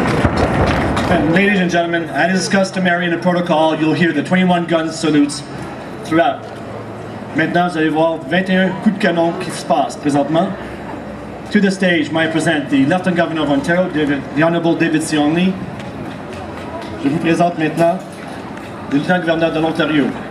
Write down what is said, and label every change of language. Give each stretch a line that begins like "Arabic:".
English: Ladies and gentlemen, as is customary in the protocol, you'll hear the 21 gun salutes throughout.
French: Maintenant, vous allez voir 21 coups de canon qui se passent présentement.
English: To the stage, may I present the Lieutenant Governor of Ontario, the Honorable David C. Onley.
French: Je vous présente maintenant le Lieutenant Governor de l'Ontario.